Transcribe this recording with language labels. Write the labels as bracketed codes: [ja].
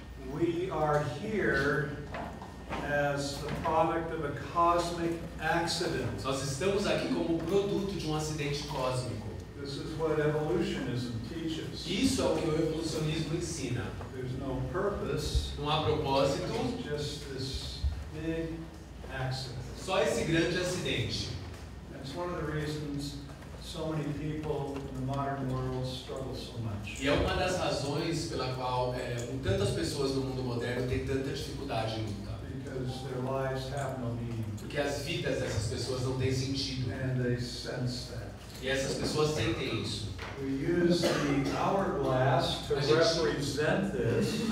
[en] We are here as the product of a cosmic accident. [pt] Nós estamos aqui como produto de um acidente cósmico. [en] This is what evolutionism teaches. [pt] Isso é o que o evolucionismo ensina. [en] There's no purpose. [pt] Não há propósito. [en] Just this big accident. [pt] Só esse grande acidente. [en] That's one of the reasons so many people in the modern world struggle so much. [pt] E é uma das razões pela qual tantas pessoas no mundo moderno têm tanta dificuldade em lutar. [en] Because their lives have no meaning. [pt] Porque as vidas dessas pessoas não têm sentido. [en] And they sense that. [pt] E essas pessoas sentem isso. [en] We use the hourglass to represent this.